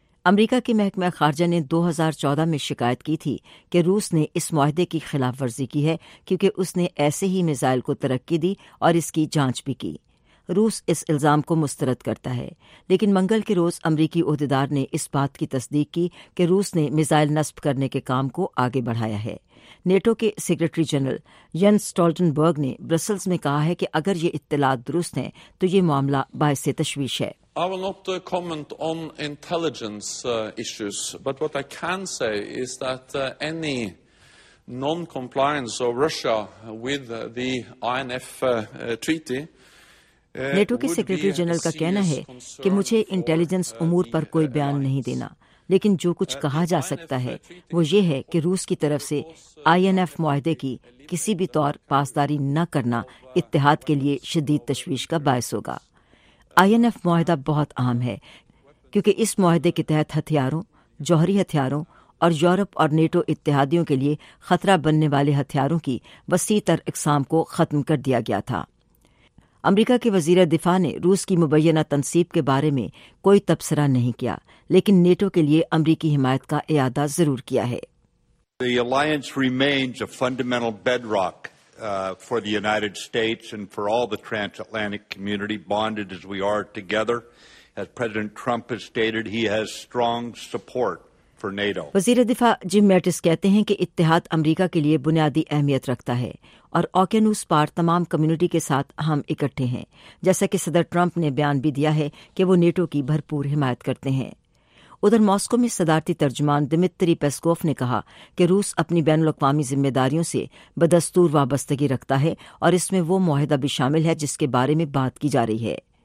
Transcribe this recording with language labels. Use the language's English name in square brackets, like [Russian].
[Urdu] امریکہ کے محکمہ خارجہ نے 2014 میں شکایت کی تھی کہ روس نے اس معاہدے کی خلاف ورزی کی ہے کیونکہ اس نے ایسے ہی میزائل کو ترقی دی اور اس کی جانچ بھی کی۔ روس اس الزام کو مسترد کرتا ہے، لیکن منگل کے روز امریکی عہدیدار نے اس بات کی تصدیق کی کہ روس نے میزائل نصب کرنے کے کام کو آگے بڑھایا ہے۔ نیٹو کے سیکرٹری جنرل ینس سٹولٹن برگ نے برسلز میں کہا ہے کہ اگر یہ اطلاعات درست ہیں تو یہ معاملہ باعث تشویش ہے۔ [English] I will not comment on intelligence issues, but what I can say is that any non-compliance of Russia with the INF treaty. [Urdu] NATO کے سیکرٹری جنرل کا کہنا ہے کہ مجھے انٹیلیجنس امور پر کوئی بیان نہیں دینا، لیکن جو کچھ کہا جا سکتا ہے وہ یہ ہے کہ روس کی طرف سے INF معاہدے کی کسی بھی طور پاسداری نہ کرنا اتحاد کے لیے شدید تشویش کا باعث ہوگا۔ INF معاہدہ بہت اہم ہے کیونکہ اس معاہدے کے تحت ہتھیاروں، جوہری ہتھیاروں اور یورپ اور نیٹو اتحادیوں کے لیے خطرہ بننے والے ہتھیاروں کی وسیع تر اقسام کو ختم کر دیا گیا تھا۔ امریکہ کے وزیر دفاع نے روس کی مبینہ تنصیب کے بارے میں کوئی تبصرہ نہیں کیا، لیکن نیٹو کے لیے امریکی حمایت کا اعادہ ضرور کیا ہے۔ [English] The alliance remains a fundamental bedrock for the United States and for all the transatlantic community, bonded as we are together. As President Trump has stated, he has strong support for NATO. [Urdu] وزیر دفاع جم mates کہتے ہیں کہ اتحاد امریکہ کے لیے بنیادی اہمیت رکھتا ہے اور اوکینوس پار تمام کمیونٹی کے ساتھ ہم اکٹھے ہیں، جیسا کہ صدر ٹرمپ نے بیان بھی دیا ہے کہ وہ نیٹو کی بھرپور حمایت کرتے ہیں۔ ادھر ماسکو میں صدارتی ترجمان دمیتری پیسکوف نے کہا کہ روس اپنی بین الاقوامی ذمہ داریوں سے بدستور وابستگی رکھتا ہے اور اس میں وہ معاہدہ بھی شامل ہے جس کے بارے میں بات کی جا رہی ہے۔